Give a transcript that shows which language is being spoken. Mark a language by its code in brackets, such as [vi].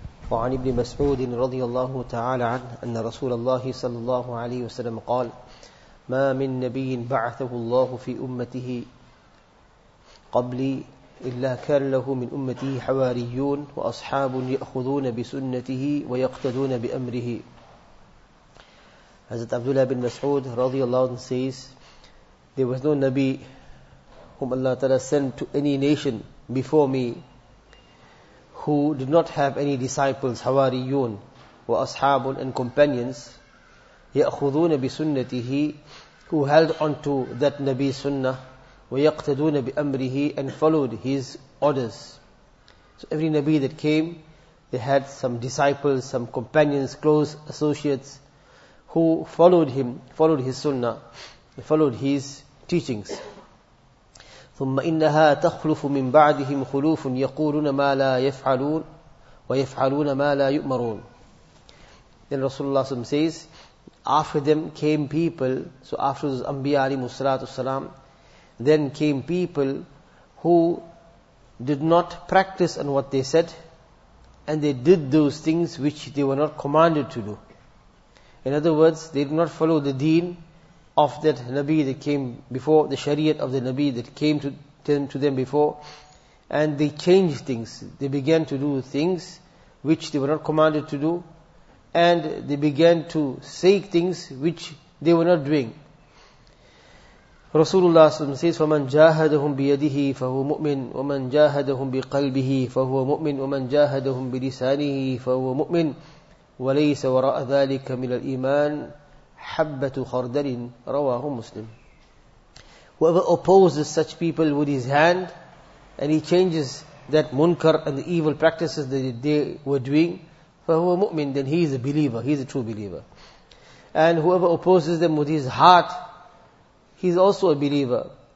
[ar] وعن ابن مسعود رضي الله تعالى عنه أن رسول الله صلى الله عليه وسلم قال: ما من نبي بعثه الله في أمته قبلي إلا كان له من أمته حواريون وأصحاب يأخذون بسنته ويقتدون بأمره. حضرت عبد الله بن مسعود رضي الله عنه [en] says, there was no Nabi whom Allah Ta'ala sent to any nation before me who did not have any disciples, [ar] hawariyun, wa ashabun, [en] and companions, [ar] ya'khuduna bi sunnatihi, [en] who held on to that Nabi sunnah, [ar] wa yaqtaduna bi amrihi, [en] and followed his orders. So every Nabi that came, they had some disciples, some companions, close associates, who followed him, followed his sunnah, followed his teachings. [ar] ثم إنها تخلف من بعدهم خلوف يقولون ما لا يفعلون ويفعلون ما لا يؤمرون. [en] Then Rasulullah SAW says, after them came people, so after those Anbiya alayhi salatu wasalam, then came people who did not practice on what they said, and they did those things which they were not commanded to do. In other words, they did not follow the deen of that Nabi that came before, the Shariat of the Nabi that came to them before, and they changed things. They began to do things which they were not commanded to do, and they began to say things which they were not doing. Rasulullah says, [ar] فَمَنْ جَاهَدَهُمْ بِيَدِهِ فَهُوَ مُؤْمِنٌ وَمَنْ جَاهَدَهُمْ بِقَلْبِهِ فَهُوَ مُؤْمِنٌ وَمَنْ جَاهَدَهُمْ بِلِسَانِهِ فَهُوَ مُؤْمِنٌ وَلَيْسَ وَرَأَ ذَلِكَ مِنَ الْإِيمَانِ حَبَّةُ خَرْدَلٍ رَوَاهُ مُسْلِمٍ. [en] Whoever opposes such people with his hand, and he changes that munkar and the evil practices that they were doing, [ar] فَهُوَ مُؤْمِنٌ, [en] then he is a believer, he is a true believer. And whoever opposes them with his heart, he is also a believer.